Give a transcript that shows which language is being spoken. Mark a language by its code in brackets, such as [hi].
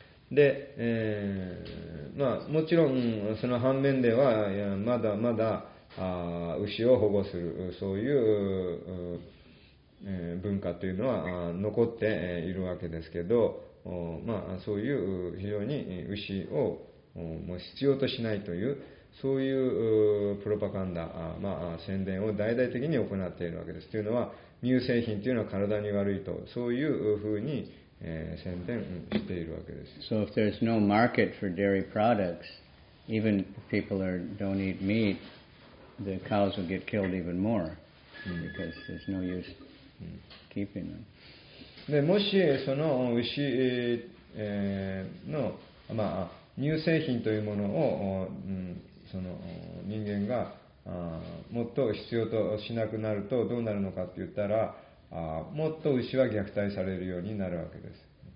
[ja] で、まあ、もちろんその反面ではまだまだ牛を保護するそういう文化というのは残っているわけですけど、まあ、そういう非常に牛をもう必要としないというそういうプロパガンダ、まあ、宣伝を大々的に行っているわけです。というのは乳製品というのは体に悪いとそういうふうに宣伝しているわけです。 [en] So if there's no market for dairy products, even if people are, don't eat meat, the cows will get killed even more because there's no use keeping them. [ja] でもしその牛、の、まあ、乳製品というものを、その人間がもっと必要としなくなるとどうなるのかって言ったら、もっと牛は虐待されるようになるわけです。